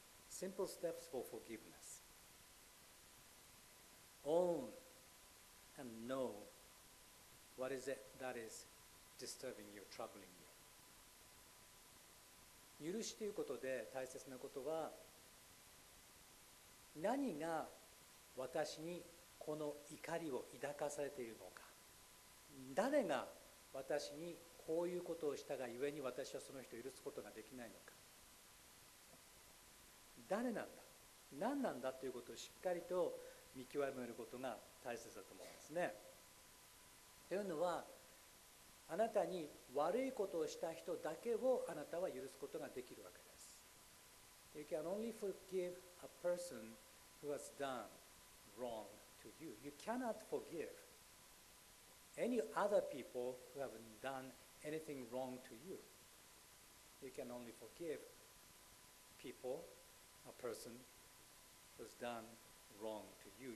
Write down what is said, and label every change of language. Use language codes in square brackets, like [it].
[en] Simple steps for forgiveness. Own and know what is it that is disturbing you, troubling you. [ja] 許しということで大切なことは、何が私にこの怒りを抱かされているのか、誰が私にこういうことをしたがゆえに私はその人を許すことができないのか、誰なんだ、何なんだということをしっかりと見極めることが大切だと思うんですね。というのは、あなたに悪いことをした人だけをあなたは許すことができるわけです。 [en] You can only forgive a personwho has done wrong to you. You cannot forgive any other people who haven't done anything wrong to you. You can only forgive people, a person who's done wrong to you.